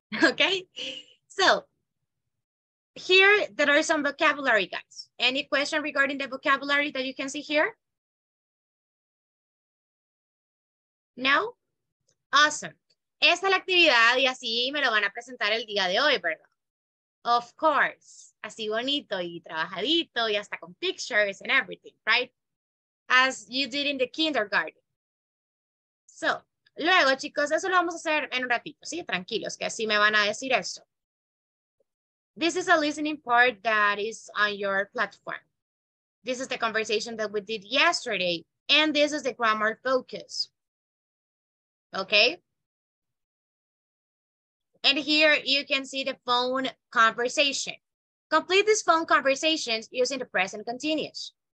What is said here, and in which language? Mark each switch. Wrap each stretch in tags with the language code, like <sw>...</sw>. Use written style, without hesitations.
<en>Okay, so here there are some vocabulary, guys. Any question regarding the vocabulary that you can see here? No? Awesome.</en> <es>Esta es la actividad y así me lo van a presentar el día de hoy, ¿verdad?</es> <en>Of course.</en> <es>Así bonito y trabajadito y hasta con</es> <en>pictures and everything, right? As you did in the kindergarten. So,</en> <es>luego, chicos, eso lo vamos a hacer en un ratito, ¿sí? Tranquilos, que así me van a decir eso.</es> <en>This is a listening part that is on your platform. This is the conversation that we did yesterday, and this is the grammar focus. Okay? And here you can see the phone conversation. Complete this phone conversation using the present continuous.</en>